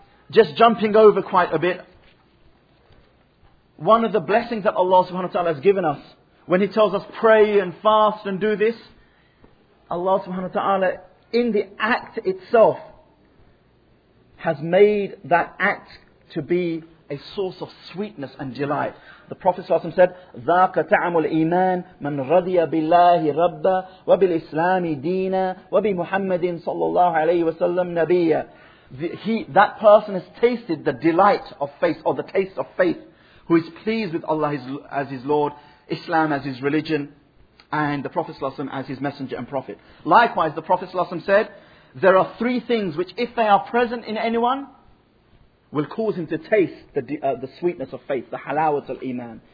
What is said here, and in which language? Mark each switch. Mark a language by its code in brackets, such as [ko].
[en] Just jumping over quite a bit, one of the blessings that Allah subhanahu wa ta'ala has given us when he tells us pray and fast and do this, Allah subhanahu wa ta'ala in the act itself has made that act to be a source of sweetness and delight. [ar] The Prophet said, ذَاكَ تَعَمُ الْإِيمَانِ مَنْ رَضِيَ بِاللَّهِ رَبَّ وَبِالْإِسْلَامِ دِينَ وَبِمُحَمَّدٍ صَلَّى اللَّهُ عَلَيْهِ وَسَلَّمْ نَبِيًّا. [en] That person has tasted the delight of faith, or the taste of faith, who is pleased with Allah as his Lord, Islam as his religion, and the Prophet ﷺ as his messenger and prophet. Likewise, the Prophet ﷺ said, there are three things which if they are present in anyone, will cause him to taste the sweetness of faith, the halawat al-iman.